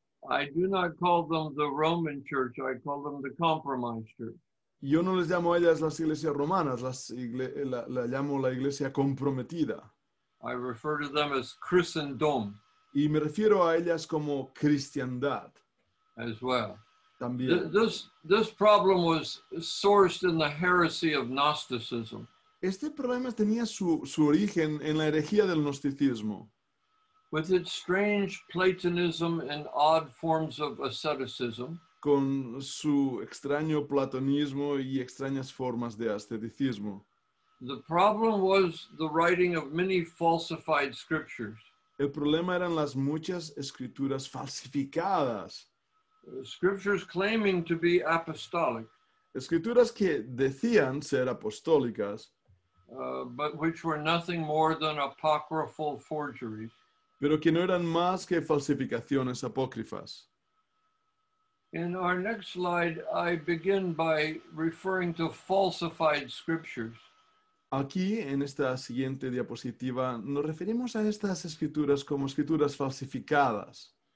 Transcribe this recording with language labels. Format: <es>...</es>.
<en>I do not call them the Roman church, I call them the compromise church.</en> <es>Yo no les llamo a ellas las iglesias romanas, la llamo la iglesia comprometida.</es> <en>I refer to them as Christendom.</en> <es>Y me refiero a ellas como cristiandad.</es> <en>As well.</en> <es>También.</es> <en>This problem was sourced in the heresy of Gnosticism.</en> <es>Este problema tenía su origen en la herejía del gnosticismo.</es> <en>With its strange Platonism and odd forms of asceticism.</en> <es>Con su extraño platonismo y extrañas formas de asceticismo.</es> <en>The problem was the writing of many falsified scriptures.</en> <es>El problema eran las muchas escrituras falsificadas.</es> <en>Scriptures claiming to be apostolic.</en> <es>Escrituras que decían ser apostólicas.</es> <en>But which were nothing more than apocryphal forgeries.</en> <es>Pero que no eran más que falsificaciones apócrifas.</es> <en>In our next slide, I begin by referring to falsified scriptures.</en> <es>Aquí, en esta siguiente diapositiva, nos referimos a estas escrituras como escrituras falsificadas.</es>